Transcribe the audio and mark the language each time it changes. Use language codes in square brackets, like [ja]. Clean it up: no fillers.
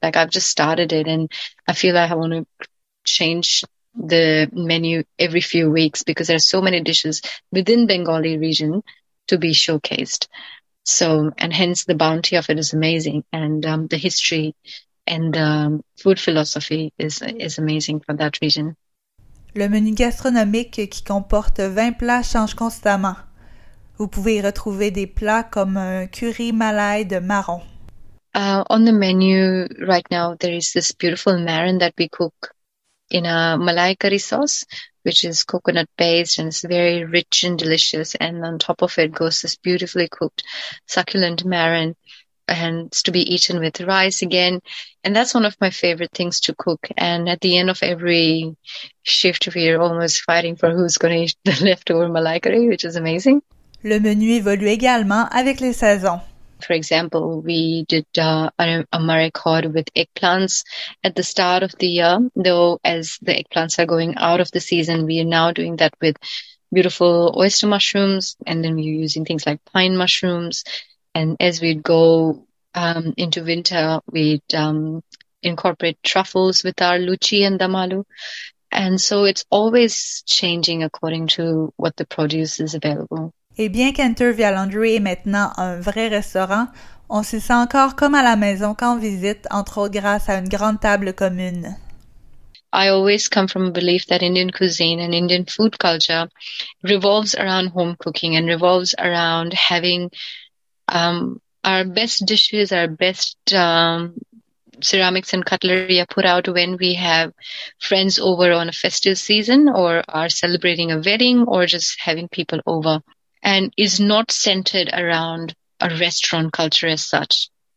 [en] Like, I've just started it and I feel like I want to change the menu every few weeks, because there are so many dishes within Bengali region to be showcased. So, and hence the bounty of it is amazing, and the history and the food philosophy is amazing for that region. [fr] Le menu gastronomique, qui comporte 20 plats, change constamment. Vous pouvez y retrouver des plats comme un curry malai de marron. [en] On the menu right now, there is this beautiful marron that we cook in a malai curry sauce, which is coconut based, and it's very rich and delicious. And on top of it goes this beautifully cooked succulent marron, and it's to be eaten with rice again. And that's one of my favorite things to cook. And at the end of every shift, we are almost fighting for who's going to eat the leftover malai curry, which is amazing. [fr] Le menu évolue également avec les saisons. [en] For example, we did a Murray cod with eggplants at the start of the year. Though as the eggplants are going out of the season, we are now doing that with beautiful oyster mushrooms, and then we're using things like pine mushrooms. And as we'd go into winter, we'd incorporate truffles with our luchi and damalu. And so it's always changing according to what the produce is available. [fr] Et bien qu'Enter Via Laundry est maintenant un vrai restaurant, on s'y sent encore comme à la maison quand on visite, entre autres grâce à une grande table commune. [en] I always come from a belief that Indian cuisine and Indian food culture revolves around home cooking and revolves around having our best dishes, our best ceramics and cutlery are put out when we have friends over on a festive season or are celebrating a wedding or just having people over, and is not centered around a restaurant culture as such.